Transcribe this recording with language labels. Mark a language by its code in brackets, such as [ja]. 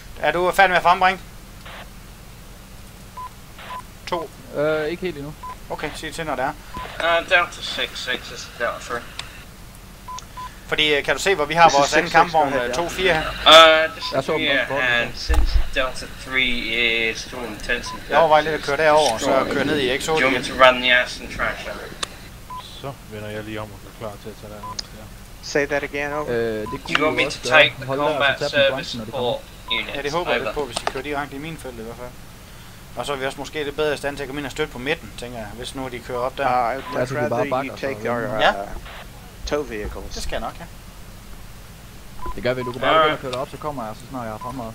[da] Er du færdig med at frembringe? 2. Ikke helt endnu. Okay, sig til, når det er. [en] Delta 6, this is Delta 3. [da] Fordi kan du se, hvor vi har vores anden kampvogn 2-4 her? Det er 2-4, [en] and since Delta 3 is still in intensive... [da] Jeg overvejer lidt at køre derover, så køre ned i X8. [en] Do you want to run the ass and trash out? [da] Så vender jeg lige om og er klar til at tage det andet. [en] Say that again, over. Do you want me to take the combat service support unit? [da] Ja, det håber jeg lidt på, hvis I kører direkte i min felt i hvert fald. Og så er vi også måske lidt bedre i stand til at komme ind og støtte på midten, tænker jeg, hvis nu de kører op der. Ja, så kan du bare bakke og så... Vehicles. Det skal jeg nok, ja. Det gør vi, du kan bare begynde at køre dig op, så kommer jeg, så snart jeg er fremad.